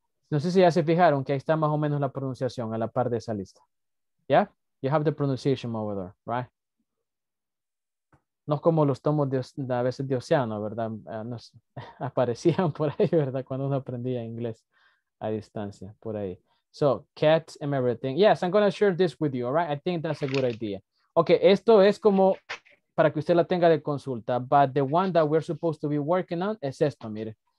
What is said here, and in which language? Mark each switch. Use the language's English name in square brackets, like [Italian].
[Spanish] No sé si ya se fijaron que ahí está más o menos la pronunciación a la par de esa lista. ¿Ya? [English] You have the pronunciation over there, right? [Spanish] No es como los tomos de a veces de océano, ¿verdad? Nos aparecían por ahí, ¿verdad? Cuando uno aprendía inglés a distancia, por ahí. [English] So, cats and everything. Yes, I'm going to share this with you, all right? I think that's a good idea. [Spanish] Okay, esto es como para que usted la tenga de consulta. [English] But the one that we're supposed to be working on [Spanish] es esto, mire.